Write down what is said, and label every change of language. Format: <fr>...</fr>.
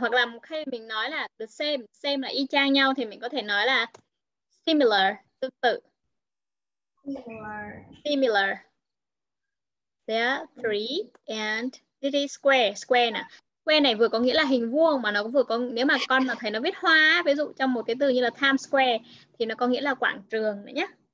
<vi>Hoặc là khi mình nói là the same, same là y chang nhau thì mình có thể nói là similar, tương tự.</vi> <en>Similar. There are three and this is square, square nè.</en> <vi>Square này vừa có nghĩa là hình vuông mà nó vừa có, nếu mà con mà thấy nó viết hoa, ví dụ trong một cái từ như là Times Square thì nó có nghĩa là quảng trường đấy nhá.</vi>